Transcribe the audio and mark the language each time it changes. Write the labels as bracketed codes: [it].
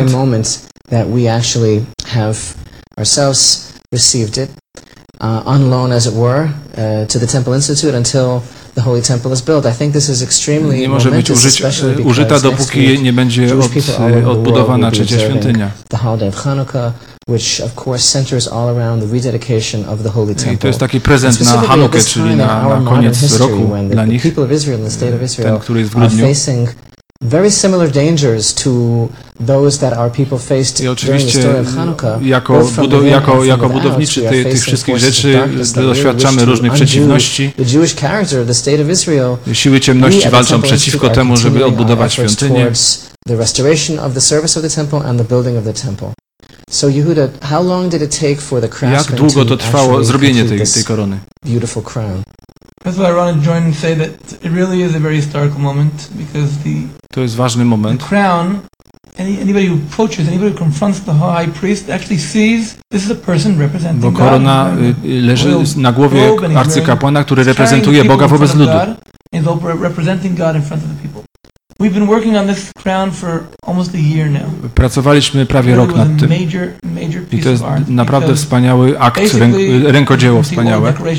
[en] Very moment that we actually have ourselves received it on loan, as it were, to the Temple Institute until the Holy Temple is built. I think this is extremely momentous, especially because next week, Jewish people all over the world will be observing the holiday of Hanukkah, which of course centers all around the rededication of the Holy Temple. [pl] I to jest taki prezent na Hanukkę, czyli na koniec roku dla nich. [en] The people of Israel and the state of Israel are facing very similar dangers to those that our people faced during the story of Hanukkah. [pl] Jako budowniczy tych wszystkich rzeczy doświadczamy różnych przeciwności. [en] The Jewish character of the state of Israel. [pl] Siły ciemności walczą przeciwko temu, żeby odbudować świątynię. [en] The restoration of the service of the temple and the building of the temple. So Yehuda, how long did it take for the craftsmen [pl] jak długo to trwało zrobienie tej korony? [en] Beautiful crown. That's why I want to join and say that it really is a very historical moment because the [pl] to jest ważny moment. [en] The crown, anybody who approaches, anybody who confronts the high priest actually sees this is a person representing God. [pl] Bo korona leży na głowie arcykapłana, który reprezentuje Boga wobec ludu. [en] He's representing God in front of the people. We've been working on this crown for almost a year now. [pl] Pracowaliśmy prawie rok nad tym. [en] Major piece [pl] i to jest naprawdę wspaniały akt, rękodzieło wspaniałe.